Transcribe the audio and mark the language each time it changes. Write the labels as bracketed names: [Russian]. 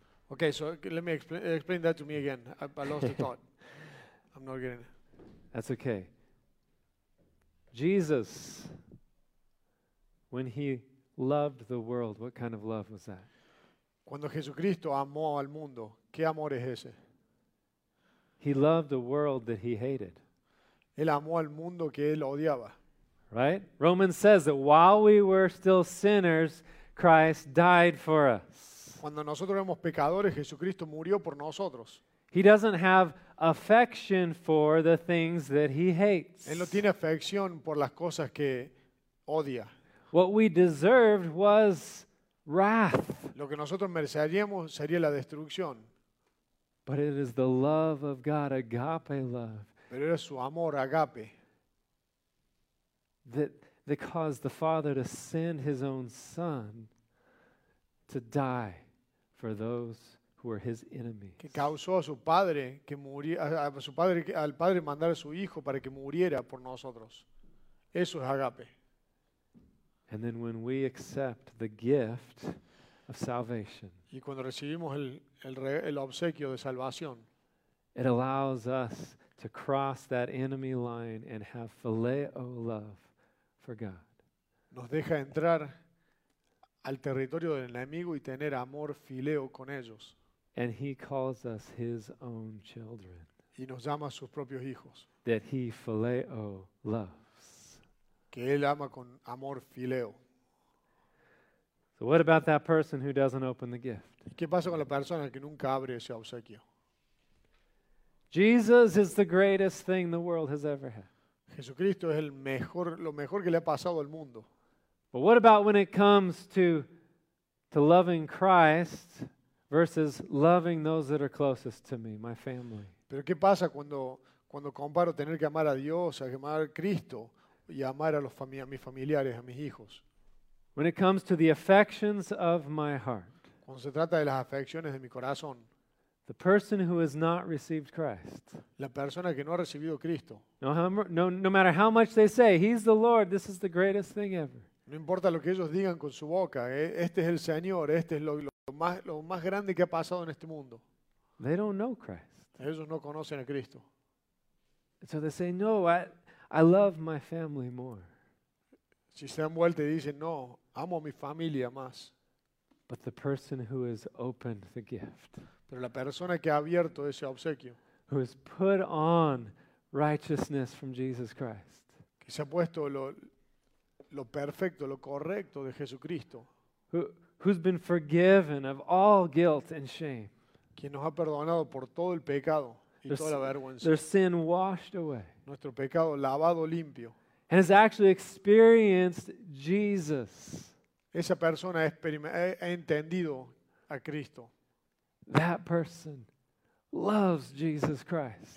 [English] Okay, so let me explain that to me again. I lost the thought. I'm not getting it. That's okay. Jesus, when he loved the world, what kind of love was that? [Spanish] Cuando Jesucristo amó al mundo, ¿qué amor es ese? [English] He loved a world that he hated. [Spanish] Él amó al mundo que él odiaba. [English] Right? Romans says that while we were still sinners, Christ died for us. [Spanish] Cuando nosotros éramos pecadores, Jesucristo murió por nosotros. [English] He doesn't have affection for the things that he hates. [Spanish] Él no tiene afección por las cosas que odia. [English] What we deserved was wrath. [Spanish] Lo que nosotros mereceríamos sería la destrucción. [English] But it is the love of God, agape love. [Spanish] Pero era su amor, agape. [English] That caused the Father to send his own Son to die for those who were his enemies. [Spanish] Que causó a su padre que muriera, a su padre, al padre mandar a su hijo para que muriera por nosotros. Eso es agape. [English] And then when we accept the gift of salvation, [Spanish] y cuando recibimos el obsequio de salvación, [English] it allows us to cross that enemy line and have phileo love. For God. [Spanish] Nos deja entrar al territorio del enemigo y tener amor fileo con ellos. [English] And he calls us his own children. [Spanish] Y nos llama sus propios hijos. [English] That he phileo loves. [Spanish] Que él ama con amor fileo. [English] So what about that person who doesn't open the gift? [Spanish] ¿Y qué pasa con la persona que nunca abre ese obsequio? [English] Jesus is the greatest thing the world has ever had. [Spanish] Jesucristo es lo mejor que le ha pasado al mundo. [English] But what about when it comes to loving Christ versus loving those that are closest to me, my family? [Spanish] Pero qué pasa cuando comparo tener que amar a Dios, a amar a Cristo y amar a mis familiares, a mis hijos? [English] When it comes to the affections of my heart. [Spanish] Cuando se trata de las afecciones de mi corazón. [English] The person who has not received Christ. [Spanish] La persona que no ha recibido Cristo. [English] No matter how much they say, he's the Lord, this is the greatest thing ever. [Spanish] No importa lo que ellos digan con su boca, este es el Señor, este es lo más grande que ha pasado en este mundo. [English] They don't know Christ. [Spanish] Ellos no conocen a Cristo. [English] So they say, no, I love my family more. [Spanish] Si se han vuelto y dicen, no, amo a mi familia más. [English] But the person who has opened the gift. [Spanish] Pero la persona que ha abierto ese obsequio, [English] who has put on righteousness from Jesus Christ, [Spanish] que se ha puesto lo perfecto, lo correcto de Jesucristo, [English] who's been forgiven of all guilt and shame, [Spanish] quien nos ha perdonado por todo el pecado y toda la vergüenza, [English] their sin washed away, [Spanish] nuestro pecado lavado limpio, [English] and has actually experienced Jesus, [Spanish] esa persona ha entendido a Cristo. [English] That person loves Jesus Christ.